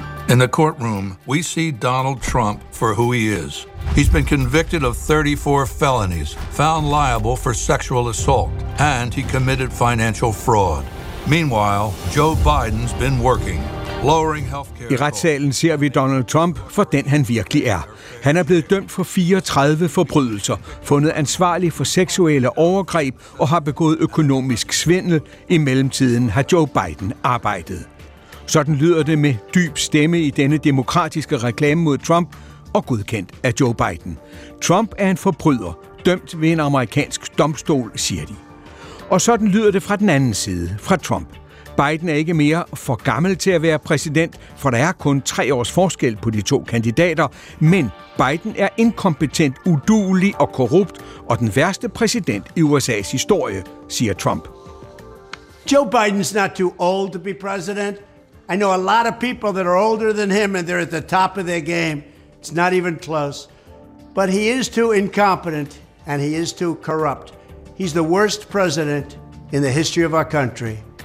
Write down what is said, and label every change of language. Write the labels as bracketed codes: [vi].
[en] In the courtroom, we see Donald Trump for who he is. He's been convicted of 34 felonies, found liable for sexual assault, and he committed financial fraud. Meanwhile, Joe Biden's been working, lowering healthcare. [da] I retssalen ser vi Donald Trump for den han virkelig er. Han er blevet dømt for 34 forbrydelser, fundet ansvarlig for seksuelle overgreb og har begået økonomisk svindel. I mellemtiden har Joe Biden arbejdet. Sådan lyder det med dyb stemme i denne demokratiske reklame mod Trump og godkendt af Joe Biden. Trump er en forbryder, dømt ved en amerikansk domstol, siger de. Og sådan lyder det fra den anden side, fra Trump. Biden er ikke mere for gammel til at være præsident, for der er kun 3 års forskel på de to kandidater. Men Biden er inkompetent, uduelig og korrupt og den værste præsident i USA's historie, siger Trump. [en] Joe Biden's not too old to be president. I know a lot of people that are older than him, and they're at the top of their game. It's not even close. But he is too incompetent, and he is too corrupt. He's the worst president in the history of our country.